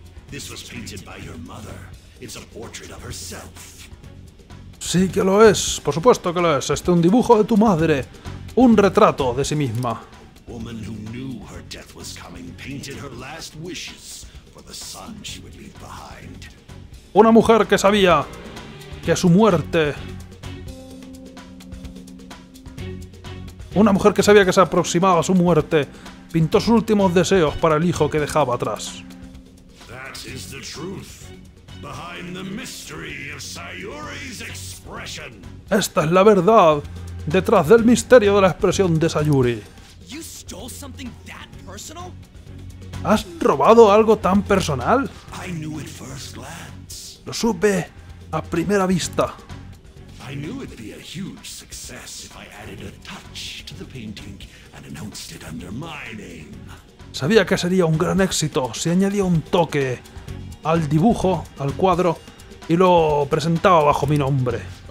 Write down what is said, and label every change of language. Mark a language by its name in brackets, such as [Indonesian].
[English] This was painted by your mother. It's a portrait of herself. [Spanish] Sí que lo es, por supuesto que lo es. Este es un dibujo de tu madre, un retrato de sí misma. [English] Woman who knew her death was coming painted her last wishes for the son she would leave behind. [Spanish] Una mujer que sabía que su muerte... Una mujer que sabía que se aproximaba a su muerte, pintó sus últimos deseos para el hijo que dejaba atrás. [English] Is the truth behind the mystery of Sayuri's expression. [Spanish] Esta es la verdad detrás del misterio de la expresión de Sayuri. [English] You stole something that personal? [Spanish] ¿Has robado algo tan personal? [English] I knew at first glance. [Spanish] Lo supe a primera vista. [English] I knew it'd be a huge success if I added a touch to the painting and announced it under my name. [Spanish] Sabía que sería un gran éxito si añadía un toque al dibujo, al cuadro, y lo presentaba bajo mi nombre.